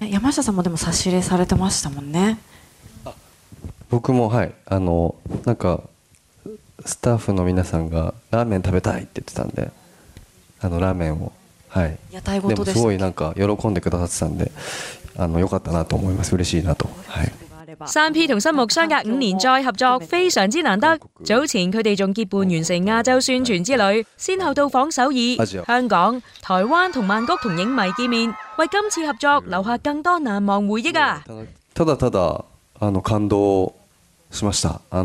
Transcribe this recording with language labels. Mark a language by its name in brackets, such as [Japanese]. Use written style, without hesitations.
[Japanese] 山下さんもでも差し入れされてましたもんね。あ、僕もはい、なんかスタッフの皆さんがラーメン食べたいって言ってたんで、ラーメンを、はい、屋台ごとでした。でもすごいなんか喜んでくださってたんで、よかったなと思います。嬉しいなと、はい。 [Chinese] 3P 和新木相隔五年再合作非常之难得，早前他们还结伴完成亚洲宣传之旅，先后到访首尔、香港、台湾和曼谷和影迷见面，为今次合作留下更多难忘回忆啊。 [Japanese] ただただ感动しました。